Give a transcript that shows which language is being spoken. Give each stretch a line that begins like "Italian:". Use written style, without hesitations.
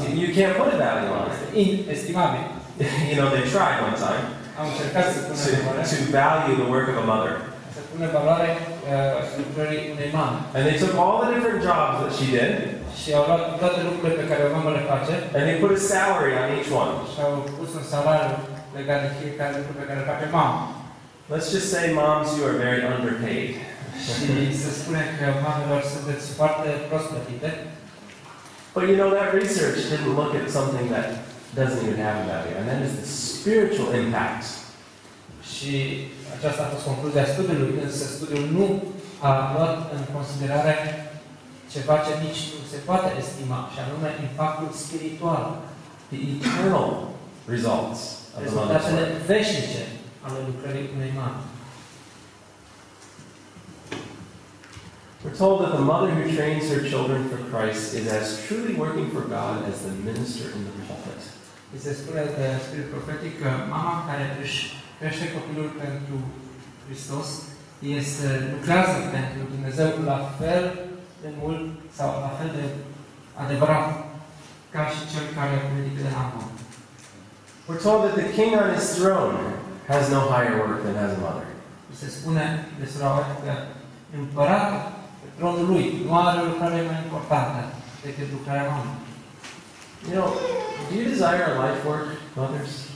English: You can't put a value on it.
Romanian: Inestimabil.
English: You know, they tried one time.
Romanian: Am încercat să pun
English: to value the work of a mother.
Romanian: Pune valoare lucrării unei mame.
English: And they took all the different jobs that she did.
Romanian: Și au luat toate lucrurile pe care o mamă le face.
English: And they put a salary on each one.
Romanian: Și au pus un salariu legat de fiecare lucru pe care le face mamă.
English: Let's just say, moms, you are very underpaid.
Romanian: Și se spune că mamelor sunteți foarte prost plătite.
English: But you know, that research didn't look at something that doesn't even have a value. And that is the spiritual impact.
Romanian: Și aceasta a fost concluzia studiului, însă studiul nu a luat în considerare ceva ce nici nu se poate estima, și anume impactul spiritual.
English: The eternal results of the mother's work.
Romanian: Rezultatele veșnice ale lucrării unei mame.
English: We're told that the mother who trains her children for Christ is as truly working for God as the minister in the pulpit.
Romanian: Mi se spune de spirit profetic că mama care își crește copilul pentru Hristos, este lucrează pentru Dumnezeu la fel de mult sau la fel de adevărat ca și cel care predică de la mamă.
English: We're told that the king on his throne has no higher work than has a mother.
Romanian: Mi se spune de surauat că împăratul pe tronul lui nu are lucrare mai importantă decât lucrarea mamă.
English: You know, do you desire a life work, mothers?